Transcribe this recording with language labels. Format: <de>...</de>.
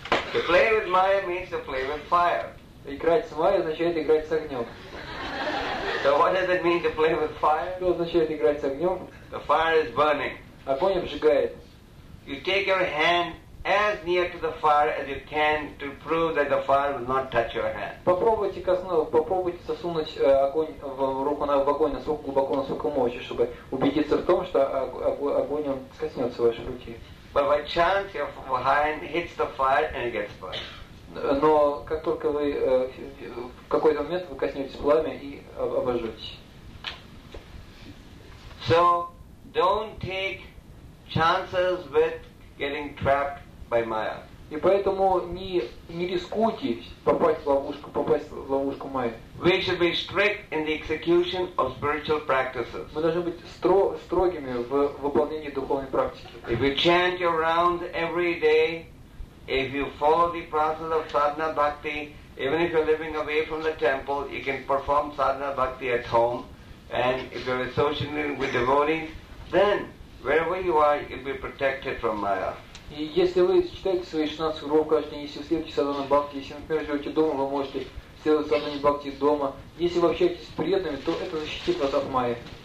<en>To play with Maya means to play with fire.</en> <ru>Играть с Майей означает играть с огнем.</ru> <en>So what does it mean to play with fire?</en> <ru>Что означает играть с огнем?</ru> <en>The fire is burning.</en> <ru>Огонь обжигает.</ru> <en>You take your hand as near to the fire as you can to prove that the fire will not touch your hand.</en> <ru>Попробуйте засунуть огонь в руку в огонь насколько глубоко, насколько можете, чтобы убедиться в том, что огонь он коснется вашей руки.</ru> <en>But by chance your hand hits the fire and it gets burned.</en> <ru>Но как только вы в какой-то момент вы коснетесь пламя и обожжетесь.</ru> <en>So don't take chances with getting trapped by Maya.</en> <ru>И поэтому не рискуйте попасть в ловушку Майи.</ru> <en>We should be strict in the execution of spiritual practices.</en> <ru>Мы должны быть строгими в выполнении духовной практики.</ru> <en>If you chant your rounds every day, if you follow the process of sadhana bhakti Even if you're living away from the temple, you can perform sadhana bhakti at home. And if you're associating with devotees, then wherever you are, you'll be protected from Maya.</en> <ru>И если вы читаете свои 16 уроков каждый день, если вы следуете садхана бхакти, если, например, живете дома, вы можете следовать садхана бхакти дома. Если вы общаетесь с преданными, то это защитит вас от майи.</ru>